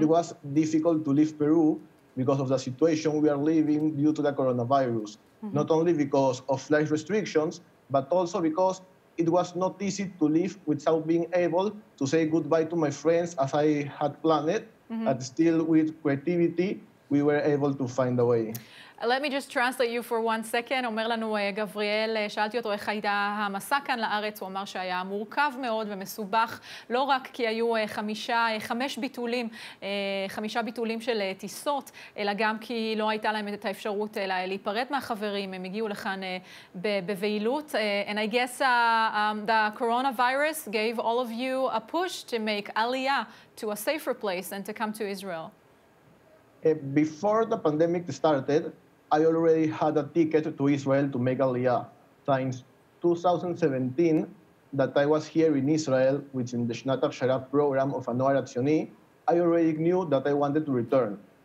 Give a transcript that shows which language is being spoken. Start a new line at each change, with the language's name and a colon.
English: It was difficult to leave Peru because of the situation we are living due to the coronavirus, mm-hmm. not only because of flight restrictions, but also because it was not easy to leave without being able to say goodbye to my friends as I had planned it, mm-hmm. but still with creativity, we were able to find a way. Let me just translate you for one second.
Hebrew: אומר לנו גבריאל, שאלתי אותו איך הייתה המסע כאן לארץ, הוא אמר שהיה מורכב מאוד ומסובך, לא רק כי היו חמישה ביטולים של טיסות, אלא גם כי לא הייתה להם את האפשרות להיפרד מהחברים, הם הגיעו לכאן בבהילות.
English: And I guess the coronavirus gave all of you a push to make Aliyah to a safer place and to come to Israel. Before the pandemic started, I already had a ticket to Israel to make Aliyah. Since 2017, that I was here in Israel, which in the Shnatar Sharaf program of Anoar Atzioni, I already knew that I wanted to return.